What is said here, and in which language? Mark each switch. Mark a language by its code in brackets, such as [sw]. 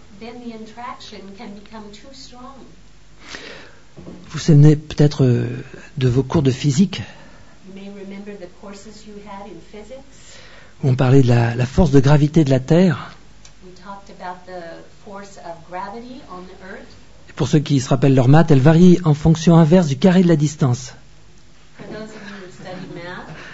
[en] Then the attraction can become too strong. [fr] Vous vous souvenez peut-être de vos cours de physique. [en] You may remember the courses you had in physics. [fr] On parlait de la force de gravité de la Terre. [en] We talked about the force of gravity on the Earth. [fr] Et pour ceux qui se rappellent leur maths, elle varie en fonction inverse du carré de la distance. [en] For those of you who study math,